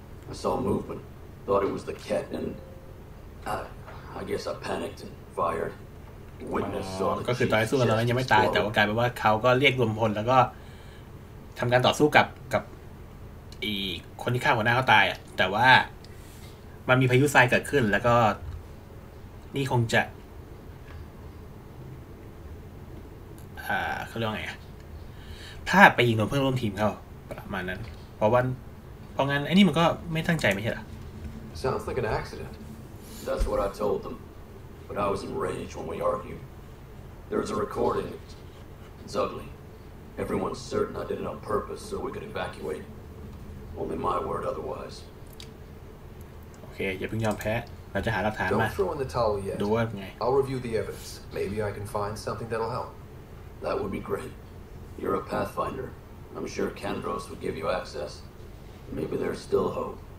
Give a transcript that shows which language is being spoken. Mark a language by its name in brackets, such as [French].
[English] I saw movement, thought it was the Ket, and I guess I panicked and fired. Witness saw the chief's chest [Thai] explode. ก็คือตอนสู้กันแล้วยังไม่ตายแต่ว่ากลายเป็นว่าเขาก็เรียกรวมพลแล้วก็ทำการต่อสู้กับอีกคนที่ฆ่าหัวหน้าเขาตายอ่ะแต่ว่ามันมีพายุทรายเกิดขึ้นแล้วก็นี่คงจะเขาเรียกว่าไงพลาดไปยิงโดนเพื่อนร่วมทีมเขาประมาณนั้นเพราะว่าเพราะงั้นไอ้นี่มันก็ไม่ตั้งใจไม่ใช่หรอ [English] Sounds like an accident That's what I told them But I was enraged when we argued There's a recording It's ugly Everyone's certain I did it on purpose so we could evacuate Only my word otherwise [Thai] โอเคอย่าเพิ่งยอมแพ้เราจะหาหลักฐานมา [English] Don't throw in the towel yet [Thai] ดูว่าไง [English] I'll review the evidence Maybe I can find something that'll help That would be great. You're a Pathfinder. I'm sure Kandros would give you access. Maybe there's still hope.